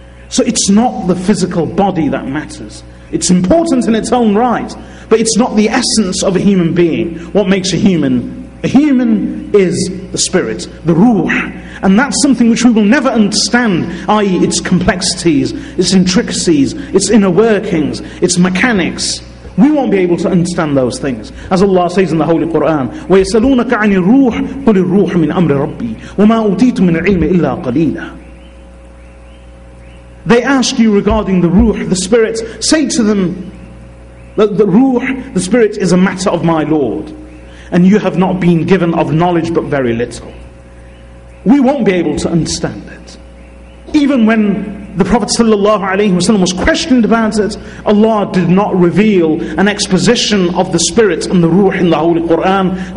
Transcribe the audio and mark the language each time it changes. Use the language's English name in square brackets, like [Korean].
[English] So it's not the physical body that matters. It's important in its own right, but it's not the essence of a human being. What makes a human? A human is the spirit, the ruh. And that's something which we will never understand, i.e. its complexities, its intricacies, its inner workings, its mechanics. We won't be able to understand those things. As Allah says in the Holy Quran, [Arabic] وَيَسَلُونَكَ عَنِ الرُّوحِ قُلِ الرُّوحِ مِنْ أَمْرِ رَبِّي وَمَا أُوتِيتُ مِنْ عِلْمِ إِلَّا قَلِيلًا. [English] They ask you regarding the ruh, the spirit. Say to them that the ruh, the spirit, is a matter of my Lord. And you have not been given of knowledge but very little. We won't be able to understand it. Even when the Prophet ﷺ was questioned about it, Allah did not reveal an exposition of the spirit and the ruh in the Holy Quran.